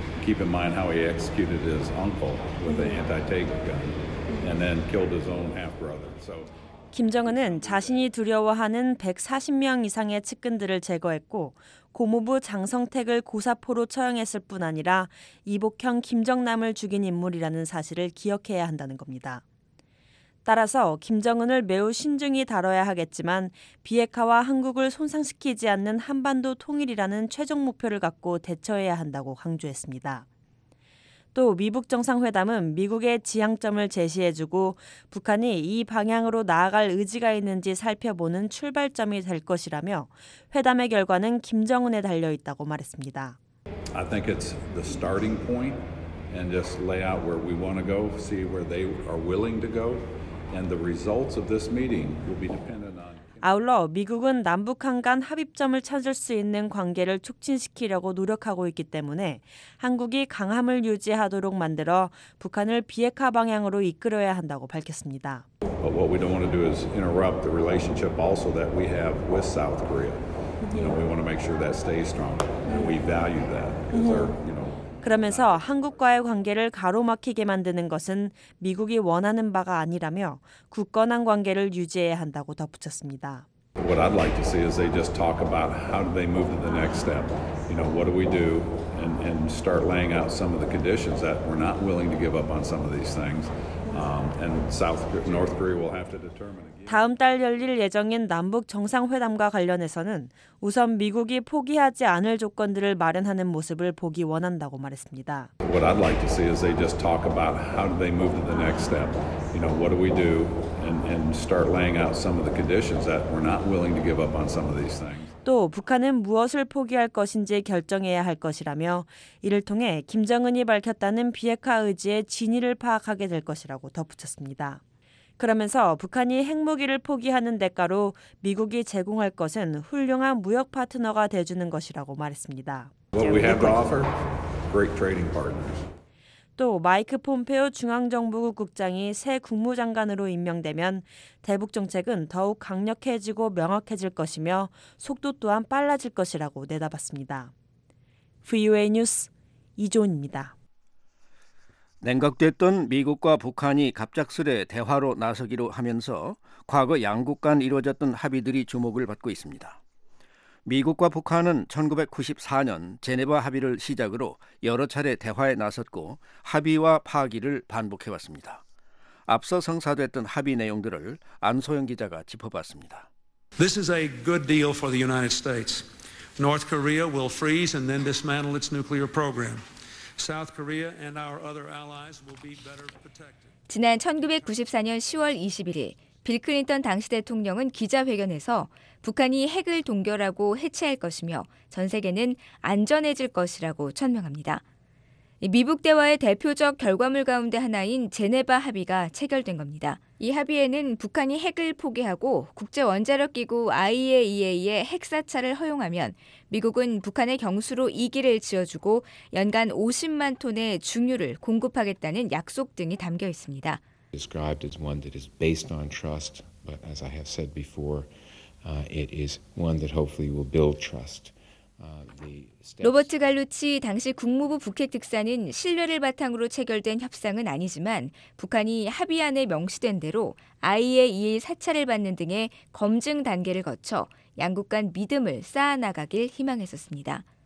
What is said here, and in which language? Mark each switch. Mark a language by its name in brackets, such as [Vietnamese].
[English] Keep in mind how he executed his uncle with an anti-tank gun and then killed his own half-brother. So [Korean] 김정은은 자신이 두려워하는 140명 이상의 측근들을 제거했고 고무부 장성택을 고사포로 처형했을 뿐 아니라 이복형 김정남을 죽인 인물이라는 사실을 기억해야 한다는 겁니다. 따라서 김정은을 매우 신중히 다뤄야 하겠지만 비핵화와 한국을 손상시키지 않는 한반도 통일이라는 최종 목표를 갖고 대처해야 한다고 강조했습니다. 또 미북 정상회담은 미국의 지향점을 제시해주고 북한이 이 방향으로 나아갈 의지가 있는지 살펴보는 출발점이 될 것이라며 회담의 결과는 김정은에 달려있다고 말했습니다. [English] I think it's the starting point and just lay out where we want to go, see where they are willing to go. And the results of this meeting will be dependent on. [Korean] 아울러 미국은 남북한 간 합의점을 찾을 수 있는 관계를 촉진시키려고 노력하고 있기 때문에 한국이 강함을 유지하도록 만들어 북한을 비핵화 방향으로 이끌어야 한다고 밝혔습니다. [English] But what we don't want to do is interrupt the relationship also that we have with South Korea. You know, we want to make sure that stays strong and we value that. [Korean] 그러면서 한국과의 관계를 가로막히게 만드는 것은 미국이 원하는 바가 아니라며 굳건한 관계를 유지해야 한다고 덧붙였습니다. [English] What I'd like to see is they just talk about how do they move to the next step. You know, what do we do and start laying out some of the conditions that we're not willing to give up on some of these things. And North Korea will have to determine. [Korean] 다음 달 열릴 예정인 남북 정상회담과 관련해서는 우선 미국이 포기하지 않을 조건들을 마련하는 모습을 보기 원한다고 말했습니다. [English] What I'd like to see is they just talk about how do they move to the next step. You know, what do we do and start laying out some of the conditions that we're not willing to give up on some of these things. [Korean] 또 북한은 무엇을 포기할 것인지 결정해야 할 것이라며 이를 통해 김정은이 밝혔다는 비핵화 의지의 진위를 파악하게 될 것이라고 덧붙였습니다. 그러면서 북한이 핵무기를 포기하는 대가로 미국이 제공할 것은 훌륭한 무역 파트너가 돼주는 것이라고 말했습니다. [English] What we have to offer? Great trading partners. [Korean] 또 마이크 폼페오 중앙정보국 국장이 새 국무장관으로 임명되면 대북 정책은 더욱 강력해지고 명확해질 것이며 속도 또한 빨라질 것이라고 내다봤습니다. VOA 뉴스 이조은입니다. 냉각됐던 미국과 북한이 갑작스레 대화로 나서기로 하면서 과거 양국 간 이루어졌던 합의들이 주목을 받고 있습니다. 미국과 북한은 1994년 제네바 합의를 시작으로 여러 차례 대화에 나섰고 합의와 파기를 반복해왔습니다. 앞서 성사됐던 합의 내용들을 안소영 기자가 짚어봤습니다. [English] This is a good deal for the United States. North Korea will freeze and then dismantle its nuclear program. South Korea and our other allies will be better protected. [Korean] 지난 1994년 10월 21일 빌 클린턴 당시 대통령은 기자회견에서 북한이 핵을 동결하고 해체할 것이며 전 세계는 안전해질 것이라고 천명합니다. 미북 대화의 대표적 결과물 가운데 하나인 제네바 합의가 체결된 겁니다. 이 합의에는 북한이 핵을 포기하고 국제원자력기구 IAEA의 핵사찰을 허용하면 미국은 북한의 경수로 이 길을 지어주고 연간 50만 톤의 중유를 공급하겠다는 약속 등이 담겨 있습니다. [English] Described as one that is based on trust, but as I have said before, it is one that hopefully will build trust. [Korean] 로버트 갈루치 당시 국무부 북핵특사는 신뢰를 바탕으로 체결된 협상은 아니지만 북한이 합의 안에 명시된 대로 IAEA 사찰을 받는 등의 검증 단계를 거쳐 양국 간 믿음을 쌓아나가길 희망했었습니다.